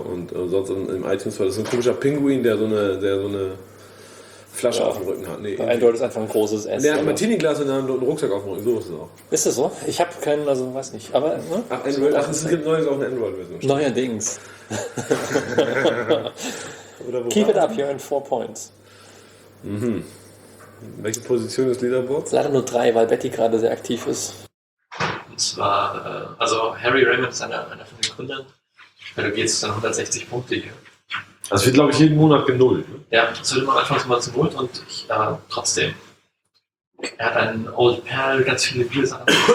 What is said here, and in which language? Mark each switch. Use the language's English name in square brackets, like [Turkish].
[German] Und sonst im iTunes Store. Das ist ein komischer Pinguin, der so eine Flasche auf dem Rücken hat. Nee, eindeutig ist einfach ein großes S. Der hat ein Martini-Glas in der Hand und einen Rucksack auf dem Rücken. So ist es auch. Ist das so? Ich habe keinen, also weiß nicht. Aber, ne? Ach, Android, ach, es gibt neues auch eine Android-Version. Neuerdings. [English] Keep it up, you're in 4 points. [German] Mhm. Welche Position des Leaderboards? Leider nur 3, weil Betty gerade sehr aktiv ist. Und zwar, also Harry Raymond ist einer von den Gründern. Bei der geht es dann 160 Punkte hier. Also wird, glaube ich, jeden Monat genullt. Ne? Ja, das wird immer anfangs mal zum Null und ich trotzdem. Er hat einen Old Pearl, ganz viele Biersachen.